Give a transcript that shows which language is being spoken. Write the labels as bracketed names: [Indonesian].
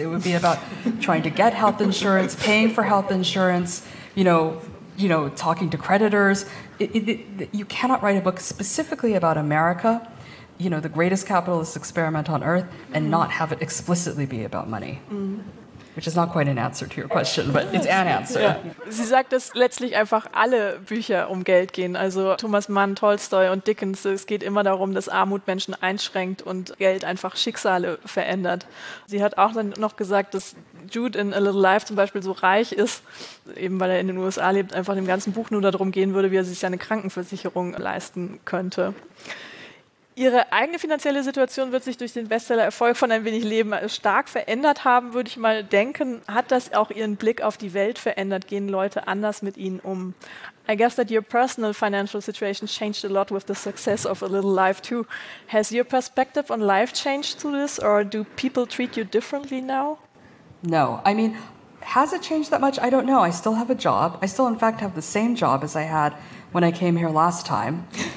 [English] It would be about trying to get health insurance, paying for health insurance, you know, talking to creditors. You cannot write a book specifically about America, you know, the greatest capitalist experiment on earth, and not have it explicitly be about money. Mm. Which is not quite an answer to your question, but it's an answer. Yeah. [German] Sie sagt, dass letztlich einfach alle Bücher um Geld gehen. Also Thomas Mann, Tolstoy und Dickens. Es geht immer darum, dass Armut Menschen einschränkt und Geld einfach Schicksale verändert. Sie hat auch dann noch gesagt, dass Jude in A Little Life zum Beispiel so reich ist, eben weil er in den USA lebt, einfach dem ganzen Buch nur darum gehen würde, wie er sich seine Krankenversicherung leisten könnte. Ihre eigene finanzielle Situation wird sich durch den Bestseller-Erfolg von Ein wenig Leben stark verändert haben, würde ich mal denken. Hat das auch Ihren Blick auf die Welt verändert? Gehen Leute anders mit Ihnen um? [English] I guess that your personal financial situation changed a lot with the success of A Little Life too. Has your perspective on life changed through this, or do people treat you differently now? No. I mean, has it changed that much? I don't know. I still have a job. I still, in fact, have the same job as I had when I came here last time.